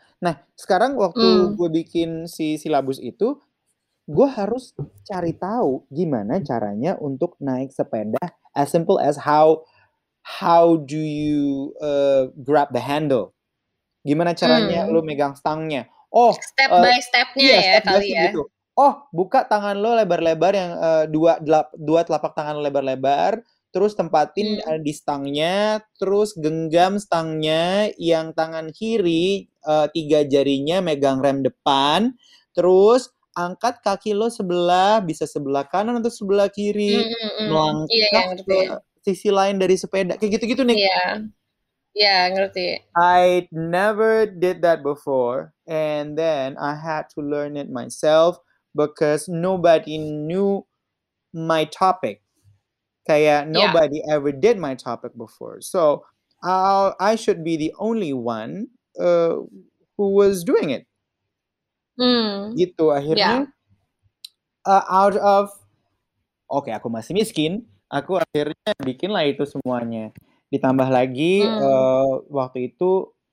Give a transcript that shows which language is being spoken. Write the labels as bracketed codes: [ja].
[id] Nah sekarang waktu gue bikin si silabus itu, gue harus cari tahu gimana caranya untuk naik sepeda. [en] As simple as how do you grab the handle? [id] Gimana caranya lo megang stangnya? Oh, step by stepnya gitu. Oh, buka tangan lo lebar-lebar yang dua telapak tangan lebar-lebar. Terus tempatin di stangnya. Terus genggam stangnya yang tangan kiri 3 jarinya megang rem depan. Terus angkat kaki lo sebelah, bisa sebelah kanan atau sebelah kiri, melangkah ke sisi lain dari sepeda, kayak gitu-gitu nih. Yeah, ngerti. [en] I never did that before, and then I had to learn it myself because nobody knew my topic. Kayak nobody ever did my topic before, so I should be the only one who was doing it. [id] Gitu akhirnya [en] out of okay, [id] aku masih miskin, aku akhirnya bikin lah itu semuanya. Ditambah lagi waktu itu